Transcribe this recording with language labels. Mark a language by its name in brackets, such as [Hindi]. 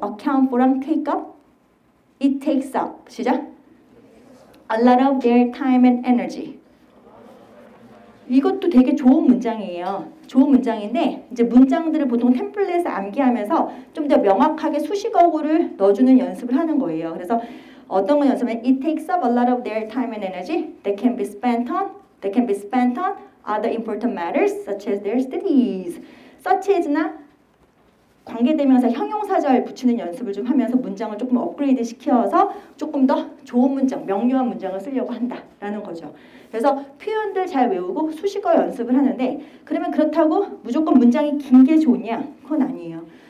[English] Account for랑 take up. It takes up. 시작. A lot of their time and energy. [Korean] 이것도 되게 좋은 문장이에요. 좋은 문장인데 이제 문장들을 보통 템플릿에 암기하면서 좀 더 명확하게 수식어구를 넣어주는 연습을 하는 거예요. 그래서 어떤 거 연습하면 [English] It takes up a lot of their time and energy that can be spent on that can be spent on other important matters such as their studies. [Korean] Such as나 관계대명사 형용사절 붙이는 연습을 좀 하면서 문장을 조금 업그레이드 시켜서 조금 더 좋은 문장, 명료한 문장을 쓰려고 한다라는 거죠. 그래서 표현들 잘 외우고 수식어 연습을 하는데 그러면 그렇다고 무조건 문장이 긴 게 좋냐? 그건 아니에요.